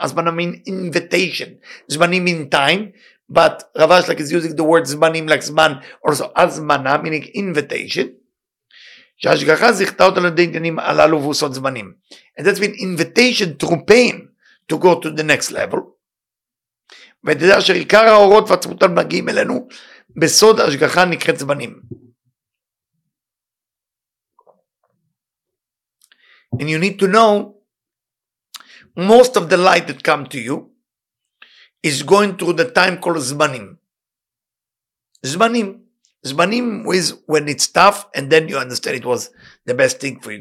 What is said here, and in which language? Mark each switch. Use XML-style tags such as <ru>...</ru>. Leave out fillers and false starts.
<en>Azmana means invitation. Zmanim mean time, but Rav Ashlag is using the word zmanim like zman, also azmana meaning invitation. And that's been invitation through pain to go to the next level.</en> <he>ותדע שעיקר האורות והצמותן מגיעים אלינו בסוד השגחה נקראת זמנים.</he> <en>And you need to know, most of the light that come to you is going through the time called זמנים. זמנים. זמנים is when it's tough and then you understand it was the best thing for you.</en>